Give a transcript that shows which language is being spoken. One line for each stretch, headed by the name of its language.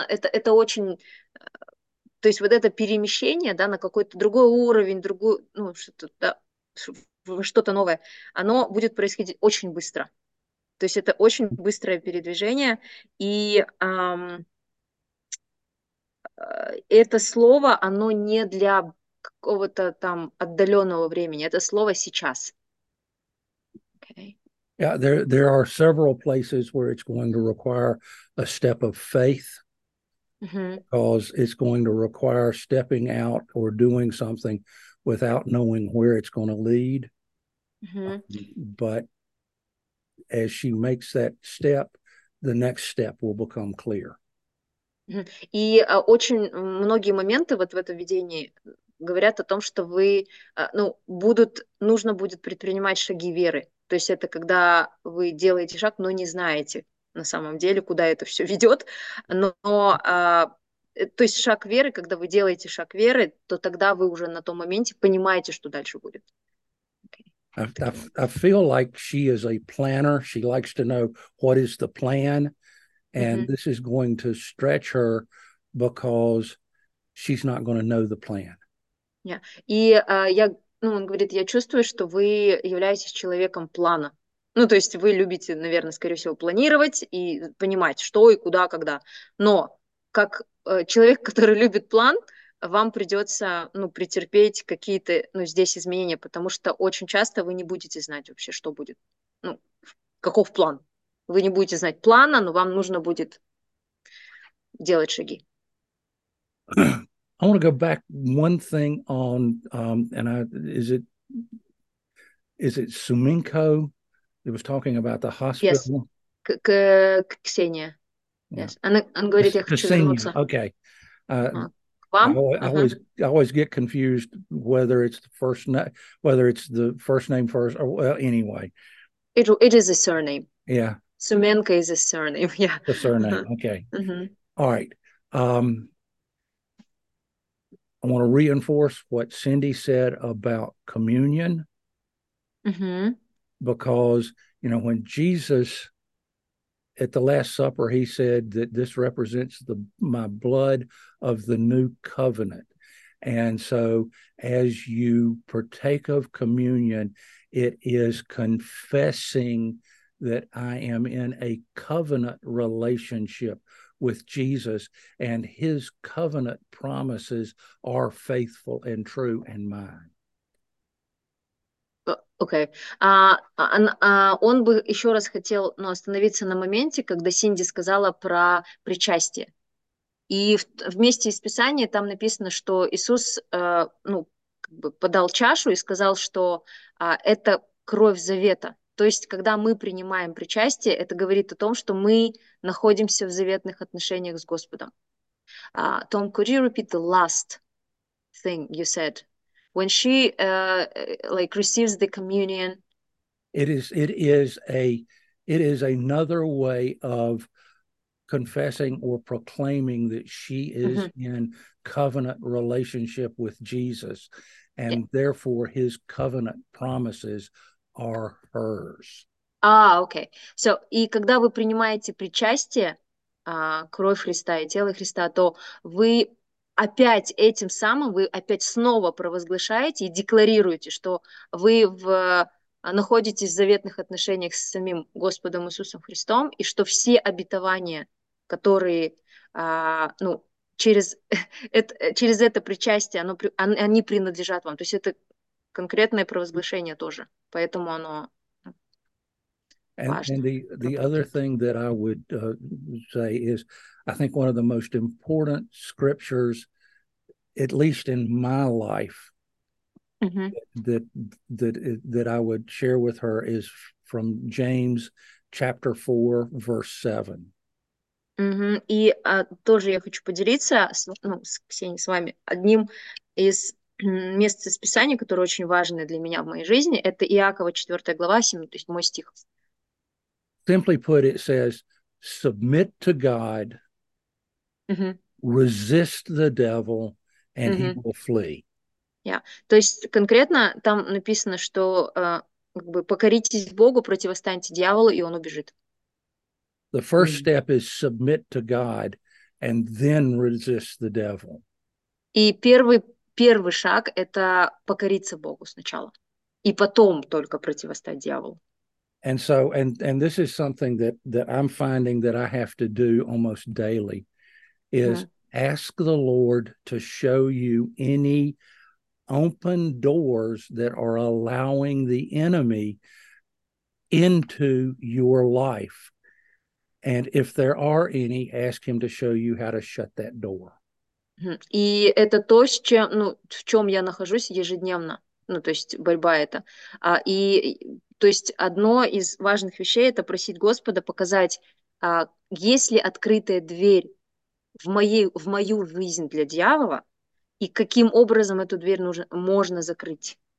Russian: Это очень... То есть вот это перемещение, да, на какой-то другой уровень, другой, ну, что-то, да, что-то новое, оно будет происходить очень быстро. То есть это очень быстрое передвижение, и это слово, оно не для какого-то там отдаленного времени, это слово сейчас.
English: Okay. Yeah, there are several places where it's going to require a step of faith, because it's going to require stepping out or doing something without knowing where it's going to lead. But as she makes that step, the next step will become clear.
Russian: И очень многие моменты вот в этом видении говорят о том, что вы, ну, будут, нужно будет предпринимать шаги веры. То есть это когда вы делаете шаг, но не знаете на самом деле, куда это все ведет. Но то есть шаг веры, когда вы делаете шаг веры, то тогда вы уже на том моменте понимаете, что дальше будет.
English: I feel like she is a planner. She likes to know what is the plan. And this is going to stretch her because she's not going to know the plan. Yeah.
Russian: И я, ну, он говорит, я чувствую, что вы являетесь человеком плана. Ну, то есть вы любите, наверное, скорее всего, планировать и понимать, что и куда, когда. Но как человек, который любит план... вам придется, ну, претерпеть какие-то, ну, здесь изменения, потому что очень часто вы не будете знать вообще, что будет, ну, каков план. Вы не будете знать плана, но вам нужно будет делать шаги.
English: I want to go back one thing on, and I, is it Suminko? It was talking about the hospital. Yes,
Russian: к Ксении.
English: Yeah. Yes,
Russian: она говорит, я хочу вернуться.
English: Okay. I always get confused whether it's the first name first or well, anyway. It is a surname. Yeah. Sumenka is a surname. Yeah. The surname. Okay. All right. I want to reinforce what Cindy said about communion, because you know when Jesus at the Last Supper, he said that this represents my blood of the new covenant. And so as you partake of communion, it is confessing that I am in a covenant relationship with Jesus, and his covenant promises are faithful and true and mine. Okay.
Russian: Он бы еще раз хотел, ну, остановиться на моменте, когда Синди сказала про причастие. И вместе с Писанием там написано, что Иисус ну, как бы подал чашу и сказал, что это кровь завета. То есть, когда мы принимаем причастие, это говорит о том, что мы находимся в заветных отношениях с Господом.
English: Tom, could you repeat the last thing you said? When she like receives the communion, it is another way of confessing or proclaiming that she is in covenant relationship with Jesus, and therefore his covenant promises are hers. Ah, okay. So,
Russian: и когда вы принимаете причастие, кровь Христа и тело Христа, то вы опять этим самым вы опять снова провозглашаете и декларируете, что вы находитесь в заветных отношениях с самим Господом Иисусом Христом, и что все обетования, которые ну, через это причастие, они принадлежат вам. То есть это конкретное провозглашение тоже. Поэтому оно важно.
English: And the other thing that I would say is, I think one of the most important scriptures, at least in my life, that I would share with her is from James chapter 4, verse 7.
Russian: И тоже я хочу поделиться с, ну, с Ксенией, с вами одним из мест из Писания, которые очень важны для меня в моей жизни. Это Иакова 4 глава, 7, то есть мой стих.
English: Simply put, it says, submit to God, resist the devil, and he will flee. Yeah.
Russian: То есть конкретно там написано, что как бы, покоритесь Богу, противостаньте дьяволу, и он убежит.
English: The first step is submit to God and then resist the devil.
Russian: И первый шаг – это покориться Богу сначала. И потом только противостать дьяволу.
English: And so, and this is something that, that I'm finding that I have to do almost daily, is ask the Lord to show you any open doors that are allowing the enemy into your life. And if there are any, ask him to show you how to shut that door.
Russian: И это то, с чем, ну, в чем я нахожусь ежедневно. Ну, то есть борьба это. И то есть одно из важных вещей – это просить Господа показать, есть ли открытая дверь в, моей, в мою жизнь для дьявола, и каким образом эту дверь нужно, можно закрыть.